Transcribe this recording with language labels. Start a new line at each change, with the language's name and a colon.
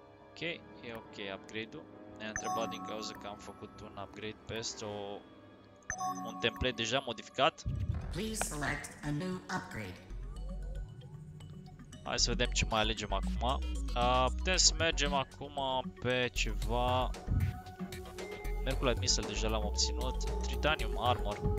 Romanian: Ok, e ok upgrade-ul. Ne-a întrebat din cauza că am făcut un upgrade peste un template deja modificat.
English: Please select a new upgrade.
Romanian: Hai să vedem ce mai alegem acum. Putem să mergem acum pe ceva. Mercurial Missile deja l-am obținut. Tritanium Armor.